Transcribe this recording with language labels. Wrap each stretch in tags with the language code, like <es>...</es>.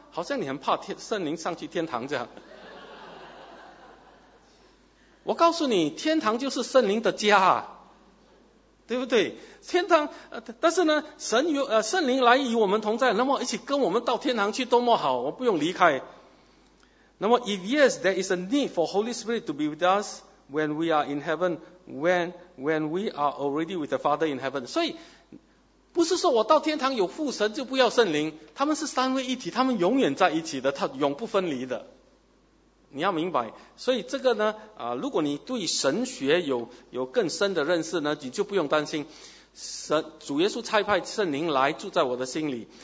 <zh>好像你很怕圣灵上去天堂这样。我告诉你，天堂就是圣灵的家啊，对不对？天堂但是呢，神与圣灵来与我们同在，那么一起跟我们到天堂去多么好，我不用离开。</zh> <en>那么 if yes, there is a need for Holy Spirit to be with us when we are in heaven, when we are already with the Father in heaven.</en> <zh>所以不是说我到天堂有父神就不要圣灵，他们是三位一体，他们永远在一起的，他永不分离的，你要明白。所以这个呢如果你对神学有更深的认识呢，你就不用担心神主耶稣差派圣灵来住在我的心里。</zh>